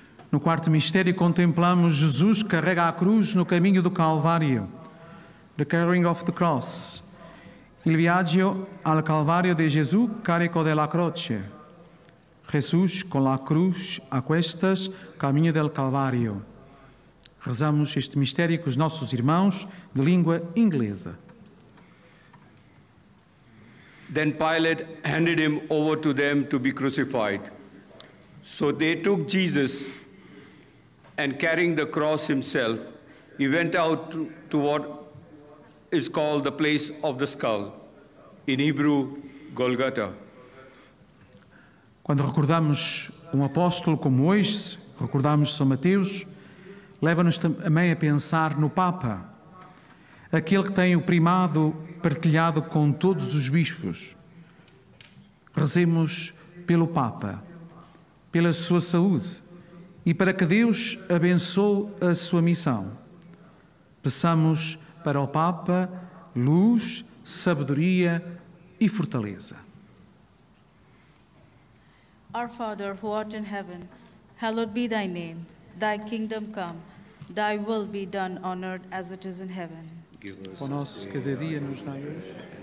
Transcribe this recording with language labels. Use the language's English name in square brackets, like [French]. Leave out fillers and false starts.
[Portuguese] No quarto mistério contemplamos Jesus que carrega a cruz no caminho do Calvário. [English] The carrying of the cross. [Italian] Il viaggio al Calvario di Gesù carico della croce. [Spanish] Jesus con la cruz a cuestas caminho del Calvario. [Portuguese] Rezamos este mistério com os nossos irmãos de língua inglesa. [English] Then Pilate handed him over to them to be crucified. So they took Jesus and carrying the cross himself, he went out to what is called the place of the skull, in Hebrew, Golgotha. [Portuguese] Quando recordamos apóstolo como hoje, recordamos São Mateus, leva-nos também a pensar no Papa, aquele que tem o primado partilhado com todos os bispos. Rezemos pelo Papa, pela sua saúde, e para que Deus abençoe a sua missão. Peçamos para o Papa luz, sabedoria e fortaleza. [English] Our Father, who art in heaven, hallowed be thy name. Thy kingdom come, thy will be done on earth as it is in heaven. [Portuguese] Pão nosso cada dia nos dai hoje.